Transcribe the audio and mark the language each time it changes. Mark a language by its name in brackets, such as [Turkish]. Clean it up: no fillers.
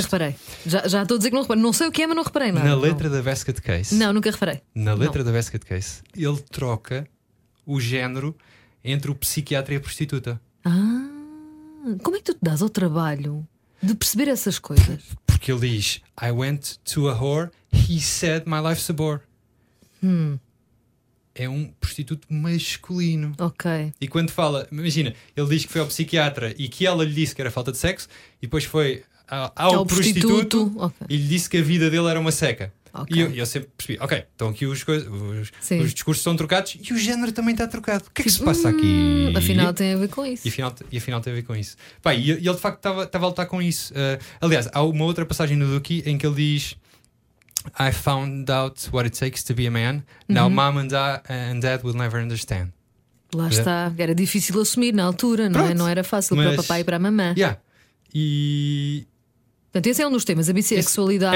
[Portuguese] reparei. Já estou a dizer que não reparei. Não sei o que é, mas não reparei nada. Na letra da Basket Case. Não, nunca reparei. Na letra da Basket Case, ele troca o género entre o psiquiatra e a prostituta. Ah, como é que tu te dás ao trabalho de perceber essas coisas? Porque ele diz: [English] I went to a whore, he said my life's a bore. [Portuguese] É um prostituto masculino. Ok. E quando fala, imagina, ele diz que foi ao psiquiatra e que ela lhe disse que era falta de sexo, e depois foi ao prostituto. E lhe disse que a vida dele era uma seca. Okay. E eu sempre percebi, ok, estão aqui os discursos são trocados e o género também está trocado. O que é que se passa aqui? Afinal tem a ver com isso. E afinal tem a ver com isso. Pai, e ele de facto estava a lutar com isso. Aliás, há uma outra passagem no Duki em que ele diz: [English] I found out what it takes to be a man. Now mom and dad will never understand. [Portuguese] Lá está. Era difícil assumir na altura, não é? Não era fácil para o papai e para a mamã. [English] Yeah. E. [Portuguese] Portanto, esse é um dos temas, a bissexualidade.